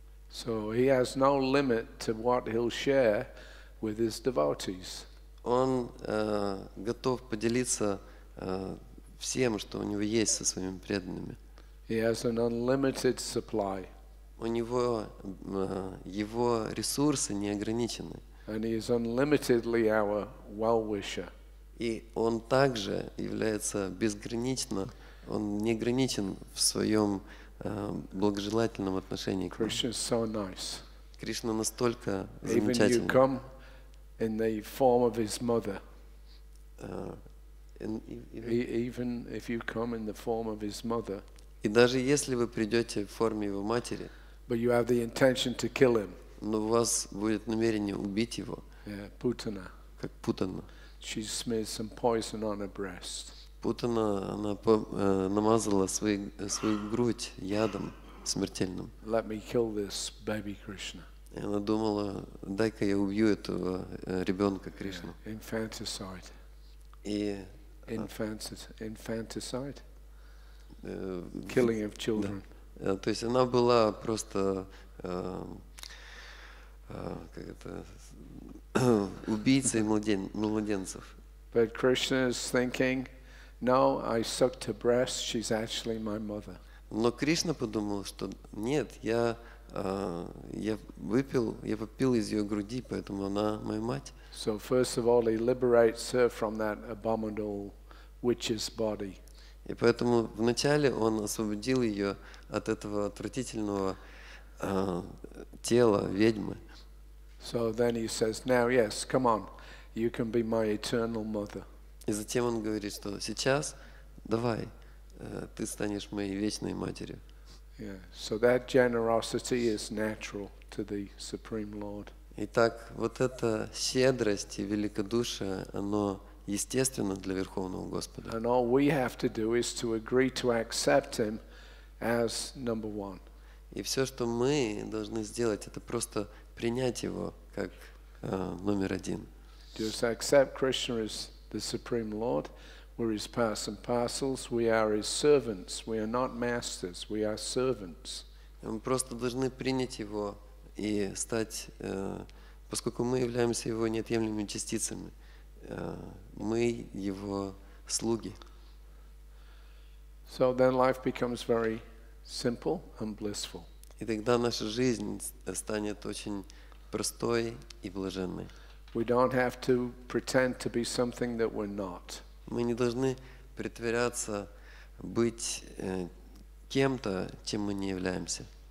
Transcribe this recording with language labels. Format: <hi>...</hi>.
<en>So he has no limit to what he'll share with his devotees.</en> <ru>Он готов поделиться всем, что у него есть со своими преданными.</ru> <en>He has an unlimited supply.</en> <ru>У него его ресурсы не ограничены.</ru> <en>And he is unlimitedly our well-wisher.</en> <ru>И он также является безгранично, он не ограничен в своем благожелательном отношении к нему. Кришна настолько замечательный.</ru> <en>Even if you come in the form of his mother,</en> <ru>и даже если вы придете в форме его матери,</ru> <en>but you have the intention to kill him,</en> <ru>но у вас будет намерение убить его, Путана, как Путана.</ru> <en>She smeared some poison on her breast.</en> <ru>Путана, она намазала свою грудь ядом смертельным.</ru> <en>Let me kill this baby Krishna.</en> <ru>И она думала, дай-ка я убью этого ребенка Кришну.</ru> <en>Infanticide.</en> <ru>И</ru> <en>infanticide, killing of children.</en> <ru>То есть она была просто как это убийцей младенцев.</ru> <en>But Krishna is thinking, no, I sucked her breast. She's actually my mother.</en> <ru>Но Кришна подумал, что нет, я попил из ее груди, поэтому она моя мать.</ru> <en>So first of all, he liberates her from that abominable witch's body.</en> <ru>И поэтому вначале он освободил ее от этого отвратительного тела ведьмы.</ru> <en>So then he says, now yes, come on, you can be my eternal mother.</en> <ru>И затем он говорит, что сейчас давай, ты станешь моей вечной матерью.</ru> <en>Yeah. So that generosity is natural to the Supreme Lord.</en> <ru>Итак, вот эта щедрость и великодушие, оно естественно для Верховного Господа.</ru> <en>And all we have to do is to agree to accept him as number one.</en> <ru>И все, что мы должны сделать, это просто принять его как номер один.</ru> <en>Just accept Krishna as the Supreme Lord. We're his parts and parcels. We are his servants. We are not masters. We are servants.</en> <ru>Мы просто должны принять его и стать, поскольку мы являемся его неотъемлемыми частицами, мы его слуги.</ru> <en>So then life becomes very simple and blissful.</en> <ru>И тогда наша жизнь станет очень простой и блаженной.</ru> <en>We don't have to pretend to be something that we're not.</en> <ru>Мы не должны притворяться быть кем-то, чем мы не являемся.</ru>